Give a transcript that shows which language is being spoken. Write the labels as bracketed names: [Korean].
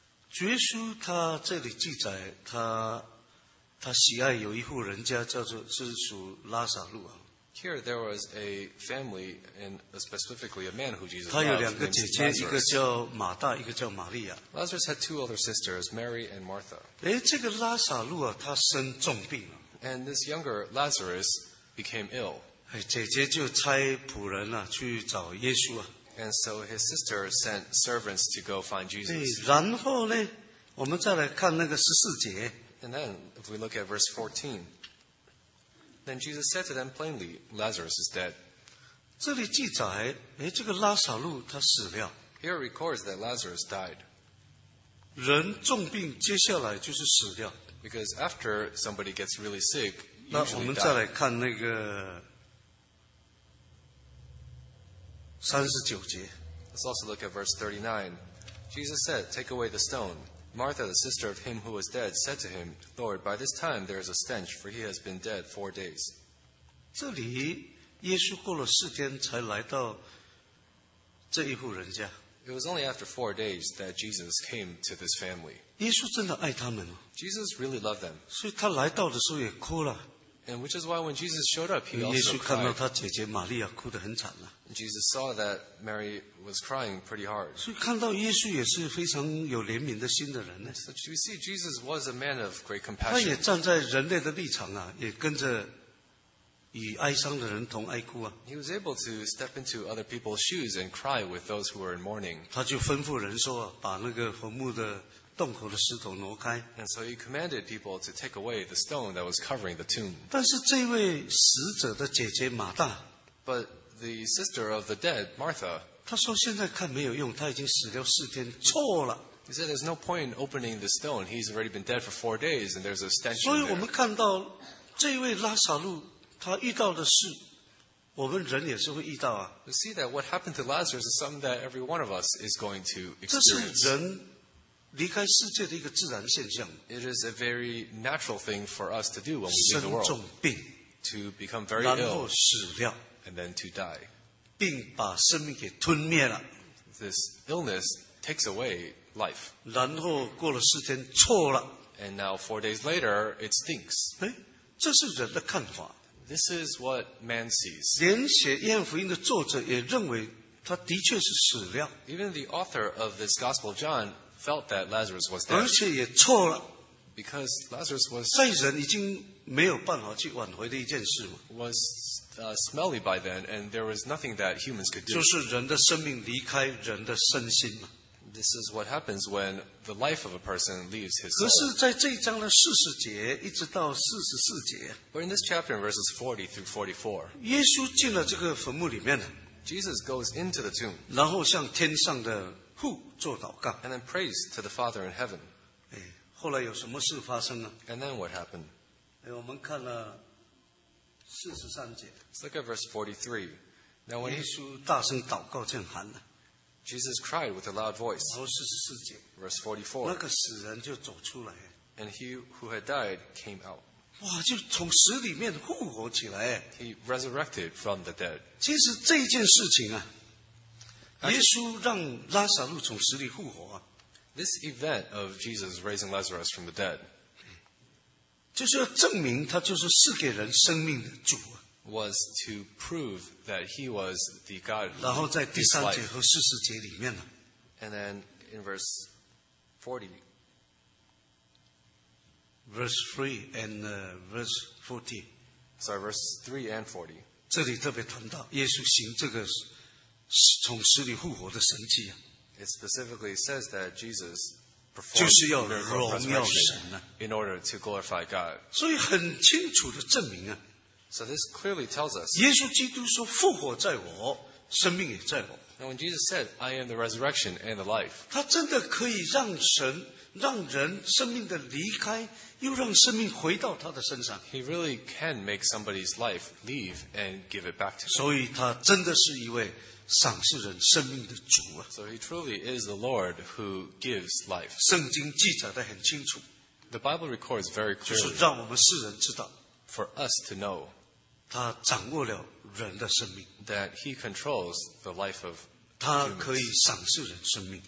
[Chinese] 主耶稣他这里记载他喜爱有一户人家叫做是属拉撒路啊。 [English] Here there was a family, and specifically a man who Jesus loved. [Chinese] 他有两个姐姐，一个叫马大，一个叫玛利亚。 [English] Lazarus had two older sisters, Mary and Martha. [Chinese] 这个拉撒路啊，他生重病啊。 [English] And this younger Lazarus became ill. [Chinese] 姐姐就差仆人、啊、去找耶稣、啊、 [English] And so his sister sent servants to go find Jesus. [Chinese] 然后呢，我们再来看那个十四节。 [English] And then if we look at verse 14, then Jesus said to them plainly, Lazarus is dead. [Chinese] 这里记载，这个拉撒路他死了。 [English] Here it records that Lazarus died. [Chinese] 人重病接下来就是死掉。 [English] Because after somebody gets really sick, usually die. [Chinese] 那我们再来看那个39节。 [English] Let's also look at verse 39. Jesus said, take away the stone. Martha, the sister of him who was dead, said to him, Lord, by this time there is a stench, for he has been dead 4 days. [Chinese] 这里耶稣过了四天才来到这一户人家。 [English] It was only after 4 days that Jesus came to this family. [Chinese] 耶稣真的爱他们。 [English] Jesus really loved them. [Chinese] 所以他来到的时候也哭了。 [English] And which is why when Jesus showed up, he also cried. [Chinese] 耶稣看到他姐姐玛利亚哭得很惨了。 [English] And Jesus saw that Mary was crying pretty hard. [Chinese] 所以看到耶稣也是非常有怜悯的心的人。 [English] So you see, Jesus was a man of great compassion. [Chinese] 他也站在人类的立场啊，也跟着与哀伤的人同哀哭啊。 [English] He was able to step into other people's shoes and cry with those who were in mourning. [Chinese] 他就吩咐人说啊，把那个坟墓的洞口的石头挪开。 [English] And so he commanded people to take away the stone that was covering the tomb. [Chinese] 但是这位死者的姐姐马大， [English] But the sister of the dead, Martha, [Chinese] 她说现在看没有用，她已经死了四天，错了。 [English] He said there's no point in opening the stone. He's already been dead for 4 days and there's a stench there. [Chinese] 所以我们看到这位拉撒路他遇到的事，我们人也是会遇到啊。 [English] You see that what happened to Lazarus is something that every one of us is going to experience. [Chinese] 这是人离开世界的一个自然现象。 [English] It is a very natural thing for us to do when we leave the world. [Chinese] 生重病 [English] ，to become very ill， [Chinese] 然后死掉 [English] ，and then to die. [Chinese] 病把生命给吞灭了。 [English] This illness takes away life. [Chinese] 然后过了四天，错了。 [English] And now 4 days later, it stinks. [Chinese] 这是人的看法。 [English] This is what man sees. [Chinese] 连写《约翰福音》的作者也认为他的确是死了。 [English] Even the author of this Gospel, John, felt that Lazarus was dead. [Chinese] 而且也错了。 [English] Because Lazarus was [Chinese] 在人已经没有办法去挽回的一件事。 [English] Was smelly by then, and there was nothing that humans could do. [Chinese] 就是人的生命离开人的身心嘛。 [English] This is what happens when the life of a person leaves his soul. [Chinese] 可是在这一章的四十节一直到四十四节。 [English] But in this chapter, in verses 40 through 44, [Chinese] 耶稣进了这个坟墓里面了。 [English] Jesus goes into the tomb. [Chinese] 然后向天上的父做祷告。 [English] And then prays to the Father in heaven. [Chinese] 后来有什么事发生呢？ [English] And then what happened? [Chinese] 我们看了四十三节。 [English] Let's look at verse 43. Now when [Chinese] 耶稣大声祷告，这样喊了。 [English] Jesus cried with a loud voice. [Chinese] 然后四十四节 [English] Verse 44. [Chinese] 那个死人就走出来。 [English] And he who had died came out. [Chinese] 哇，就从死里面复活起来。 [English] He resurrected from the dead. [Chinese] 其实这件事情啊，耶稣让拉撒路从死里复活啊。 [English] This event of Jesus raising Lazarus from the dead. [Chinese] 就是要证明他就是赐给人生命的主。 [English] Was to prove that he was the God. [Chinese] 然后在第三节和四十节里面呢。 [English] And then in verse 40. Verse 3 and verse 40. Sorry, verse 3 and 40. [Chinese] 这里特别谈到耶稣行这个从死里复活的神迹啊。 [English] It specifically says that Jesus. [Chinese] 就是要荣耀神啊。 [English] In order to glorify God. [Chinese] 所以很清楚的证明啊。 [English] So this clearly tells us. [Chinese] 耶稣基督说：“复活在我，生命也在我。” [English] And when Jesus said, "I am the resurrection and the life," [Chinese] 他真的可以让神让人生命的离开，又让生命回到他的身上。 [English] He really can make somebody's life leave and give it back to him. [Chinese] 所以他真的是一位赏赐人生命的主啊。 [English] So he truly is the Lord who gives life. [Chinese] 圣经记载的很清楚。 [English] The Bible records very clearly. [Chinese] 就是让我们世人知道。 [English] For us to know, [Chinese] 他掌握了人的生命。 [English] That he controls the life of humans. [Chinese] 他可以赏赐人生命。